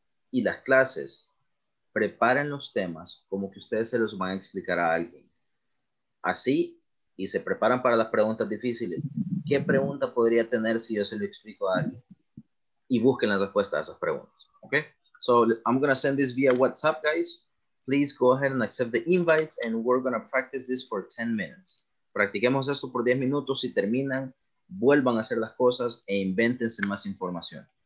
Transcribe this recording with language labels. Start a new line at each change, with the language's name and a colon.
Spanish: Y las clases, preparen los temas como que ustedes se los van a explicar a alguien. Así, y se preparan para las preguntas difíciles. ¿Qué pregunta podría tener si yo se lo explico a alguien? Y busquen las respuestas a esas preguntas. Okay?
English: So, I'm going to send this via WhatsApp, guys. Please go ahead and accept the invites and we're going to practice this for 10 minutes.
Spanish: Practiquemos esto por 10 minutos. Si terminan, vuelvan a hacer las cosas e invéntense más información.